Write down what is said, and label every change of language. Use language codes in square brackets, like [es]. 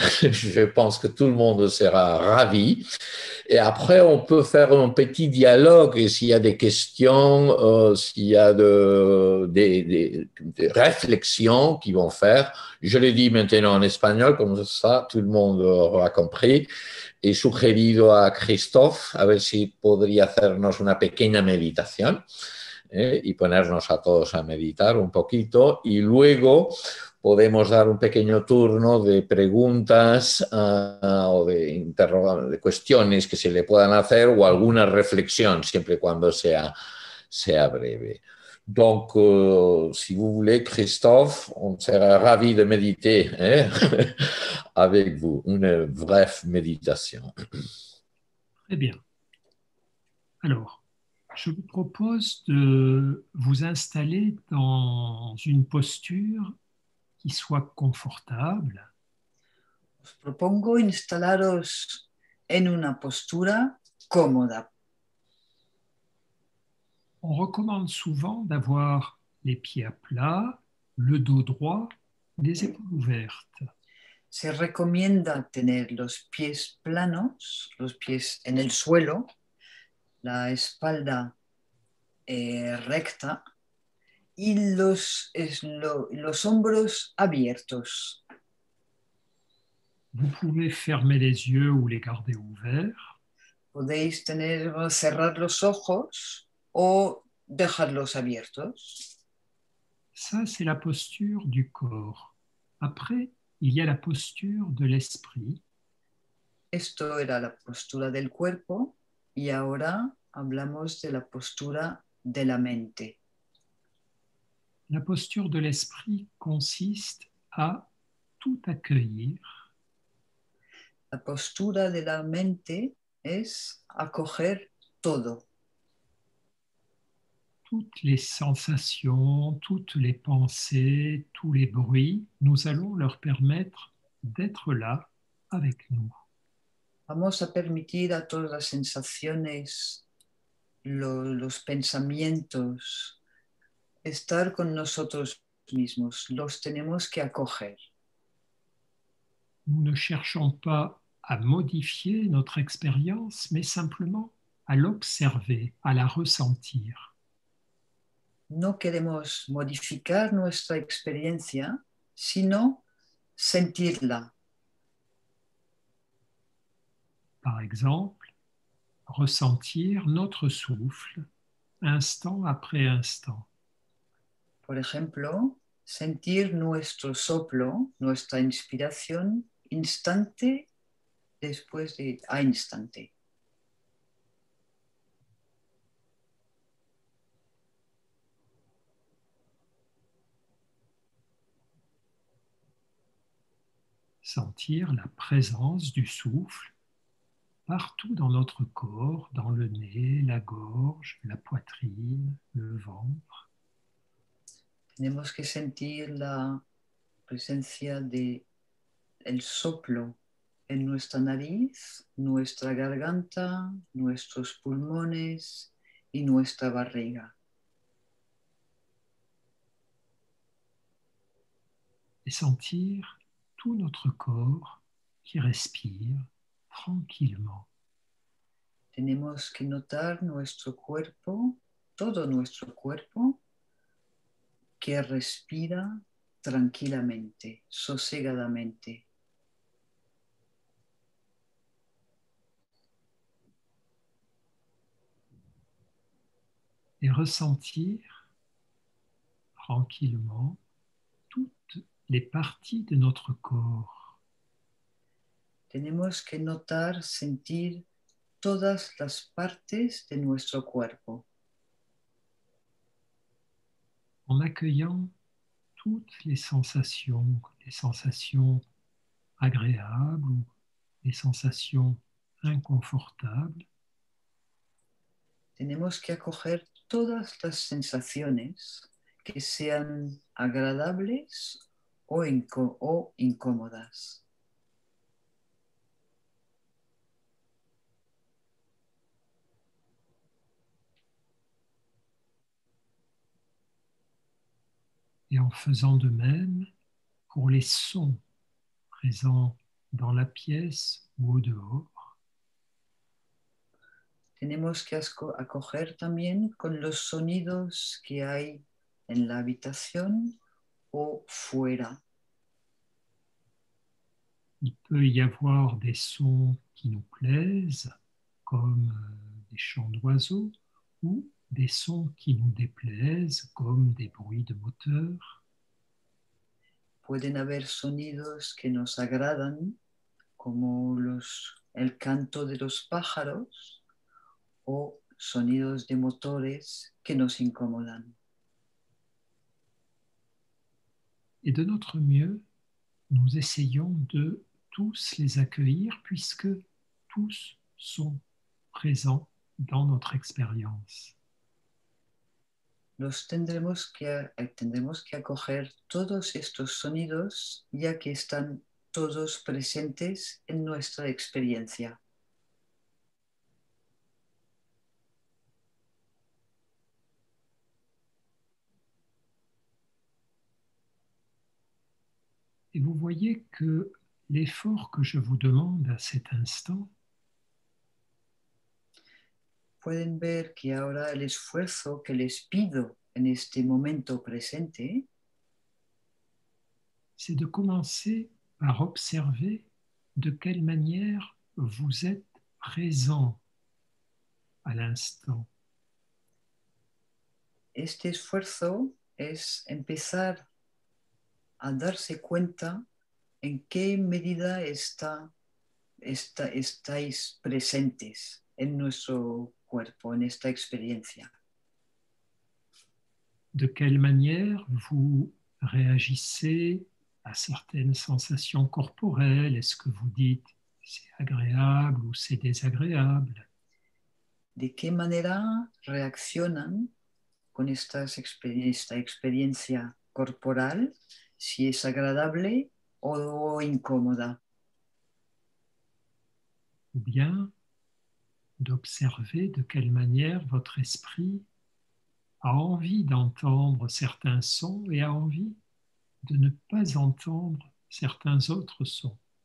[fr] Je pense que tout le monde sera ravi. Et après, on peut faire un petit dialogue et s'il y a des questions, s'il y a des réflexions qui vont faire. Je le dis maintenant en espagnol, comme ça, tout le monde aura compris. [es] He sugerido a Christophe, a ver si podría hacernos una pequeña meditación y ponernos a todos a meditar un poquito. Y luego podemos dar un pequeño turno de preguntas o de interrogantes, cuestiones que se le puedan hacer o alguna reflexión, siempre y cuando sea breve. [fr] Donc, si vous voulez, Christophe, on sera ravi de méditer hein, avec vous. Une brève méditation. Très bien. Alors, je vous propose de vous installer dans une posture qui soit confortable. [es] Os propongo instalaros en una postura cómoda. [fr] On recommande souvent d'avoir les pieds à plat, le dos droit, les épaules ouvertes. [es] Se recomienda tener los pies planos, los pies en el suelo, la espalda recta y los hombros abiertos. [fr] Vous pouvez fermer les yeux ou les garder ouverts. [es] Podéis tener cerrar los ojos o dejarlos abiertos. [fr] Ça, c'est la posture du corps. Après, il y a la posture de l'esprit. [es] Esto era la postura del cuerpo y ahora hablamos de la postura de la mente. [fr] La posture de l'esprit consiste à tout accueillir. [es] La postura de la mente es acoger todo. [fr] Toutes les sensations, toutes les pensées, tous les bruits, nous allons leur permettre d'être là avec nous. [es] Vamos a permitir a todas las sensaciones, los pensamientos, estar con nosotros mismos. Los tenemos que acoger. [fr] Nous ne cherchons pas à modifier notre expérience, mais simplement à l'observer, à la ressentir. [es] No queremos modificar nuestra experiencia, sino sentirla. [fr] Par exemple, ressentir notre souffle instant après instant. [es] Por ejemplo, sentir nuestro soplo, nuestra inspiración, instante después de a instante. [fr] Sentir la présence du souffle partout dans notre corps, dans le nez, la gorge, la poitrine, le ventre. [es] Tenemos que sentir la presencia del soplo en nuestra nariz, nuestra garganta, nuestros pulmones y nuestra barriga. [fr] Et sentir tout notre corps qui respire tranquillement. [es] Tenemos que notar nuestro cuerpo, todo nuestro cuerpo, que respira tranquilamente, sosegadamente. [fr] Et ressentir tranquillement les parties de notre corps. [es] Tenemos que notar, sentir todas las partes de nuestro cuerpo. [fr] En accueillant toutes les sensations agréables ou les sensations inconfortables. [es] Tenemos que acoger todas las sensaciones que sean agradables o incómodas. [fr] Et en faisant de même pour les sons présents dans la pièce ou au dehors. [es] Tenemos que acoger también con los sonidos que hay en la habitación o fuera. [fr] Il peut y avoir des sons qui nous plaisent, comme des chants d'oiseaux, ou des sons qui nous déplaisent, comme des bruits de moteur. [es] pueden haber sonidos que nos agradan, como el canto de los pájaros o sonidos de motores que nos incomodan. [fr] Et de notre mieux, nous essayons de tous les accueillir puisque tous sont présents dans notre expérience. [es] Los tendremos que acoger todos estos sonidos ya que están todos presentes en nuestra experiencia. [fr] Et vous voyez que l'effort que je vous demande à cet instant, [es] pueden ver que ahora el esfuerzo que les pido en este momento presente, [fr] c'est de commencer par observer de quelle manière vous êtes présent à l'instant. [es] Este esfuerzo es empezar a darse cuenta en qué medida estáis presentes en nuestro cuerpo, en esta experiencia. [fr] De quelle manière vous réagissez à certaines sensations corporelles? Est-ce que vous dites c'est agréable ou c'est désagréable? [es] De qué manera reaccionan con esta experiencia corporal, si es agradable o incómoda? [fr] Ou bien d'observer de quelle manière votre esprit a envie d'entendre certains sons et a envie de ne pas entendre certains autres sons.